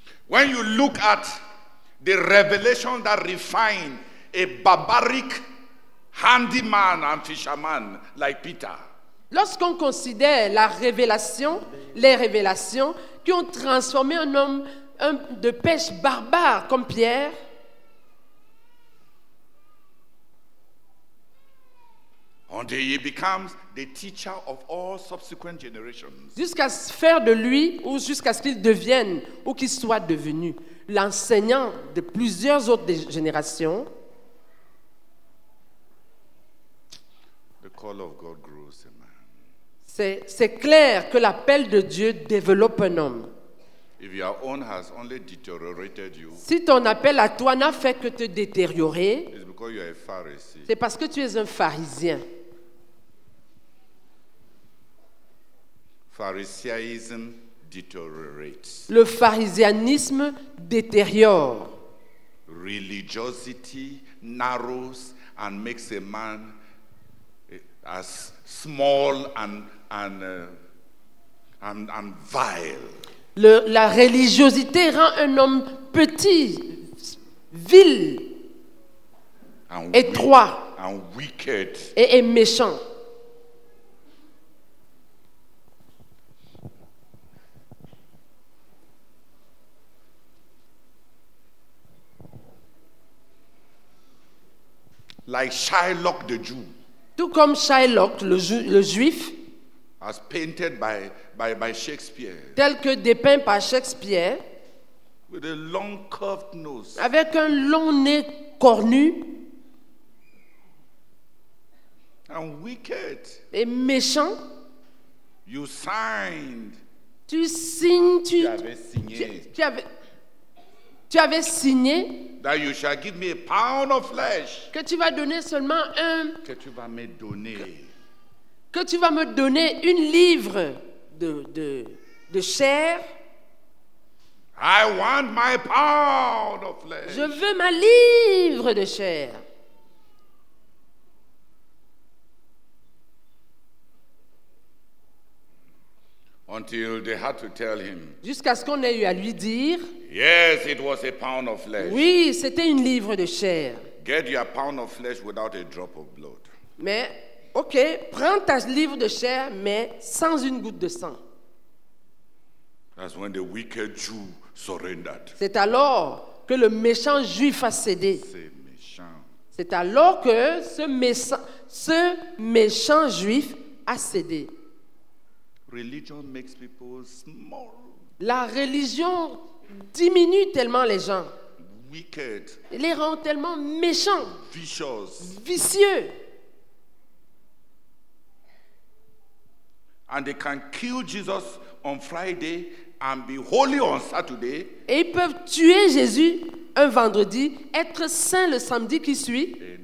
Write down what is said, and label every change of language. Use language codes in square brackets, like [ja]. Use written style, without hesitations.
[en] When you look at the revelation that refined a barbaric handyman and fisherman like Peter. [fr] Lorsqu'on considère la révélation, les révélations qui ont transformé un homme de pêche barbare comme Pierre. [en] Until he becomes the teacher of all subsequent generations. [fr] Jusqu'à faire de lui ou jusqu'à ce qu'il devienne ou qu'il soit devenu l'enseignant de plusieurs autres générations. [en] The call of God grows a man. [fr] C'est clair que l'appel de Dieu développe un homme. [en] If your own has only deteriorated you, [fr] si ton appel à toi n'a fait que te détériorer, [en] it's because you are a Pharisee. [fr] C'est parce que tu es un pharisien. [en] Pharisaism deteriorates. [fr] Le pharisianisme détériore. [en] religiosity narrows and makes a man as small and vile. [fr] La religiosité rend un homme petit, vil, étroit, [en] and wicked, [fr] et méchant. [en] Like Shylock the Jew. [fr] Tout comme Shylock le juif. [en] As painted by Shakespeare. [fr] Tel que dépeint par Shakespeare. [en] With a long curved nose. [fr] Avec un long nez cornu. [en] And wicked. [fr] Et méchant. [en] You signed. [fr] Tu signes. Tu avais signé. Tu avais signé. [en] That you shall give me a pound of flesh. [fr] Que tu vas donner seulement un. Que tu vas me donner. Que tu vas me donner une livre de chair. [en] I want my pound of flesh. [fr] Je veux ma livre de chair. [en] Until they had to tell him. [fr] Jusqu'à ce qu'on ait eu à lui dire. [en] Yes, it was a pound of flesh. [fr] Oui, c'était une livre de chair. [en] Get your pound of flesh without a drop of blood. [fr] Mais, ok, prends ta livre de chair, mais sans une goutte de sang. [en] That's when the wicked Jew surrendered. [fr] C'est alors que le méchant juif a cédé. C'est méchant. C'est alors que ce méchant juif a cédé. [en] Religion makes people small. [fr] La religion diminue tellement les gens. [en] Wicked. [fr] Il les rend tellement méchants. [en] Vicious. [fr] Vicieux. [en] And they can kill Jesus on Friday and be holy on Saturday. [fr] Et ils peuvent tuer Jésus un vendredi, être saint le samedi qui suit.